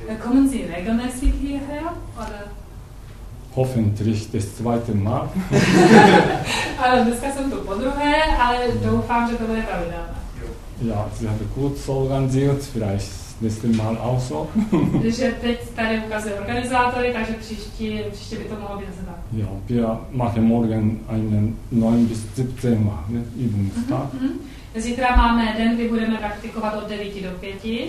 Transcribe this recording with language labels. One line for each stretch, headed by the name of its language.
German: Kommen Sie regelmäßig hierher? Hoffentlich das zweite Mal.
Czech: Ale dneska jsem tu podruhé, ale doufám, že to bude pravidelné.
German: Ja, Sie haben gut organisiert, vielleicht nächstes Mal auch so.
Czech: Že teď tady ukazuje organizátory, takže příště by to mohlo být zda.
German: Ja, wir machen morgen einen 9 bis 17 Mal, ne? Übungstag. Mm-hmm.
Czech: Zítra máme den, kdy budeme praktikovat od 9 do 5.